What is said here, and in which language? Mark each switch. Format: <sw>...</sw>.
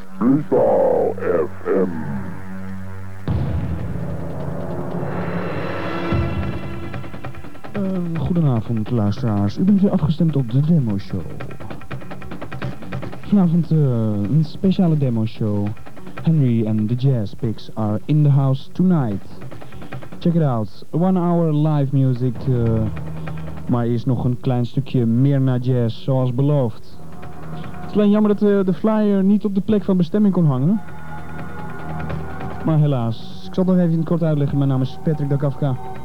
<nl>Freestyle FM. Goedenavond, luisteraars. U bent weer afgestemd op de Demo Show. Vanavond een speciale Demo Show.</nl> <en>Henry and the Jazz Picks are in the house tonight. Check it out. 1 hour live music...</en> <nl>Maar eerst nog een klein stukje meer naar jazz, zoals beloofd. Het is alleen jammer dat de flyer niet op de plek van bestemming kon hangen. Maar helaas, ik zal het nog even in het kort uitleggen. Mijn naam is Patrick da Kafka.</nl>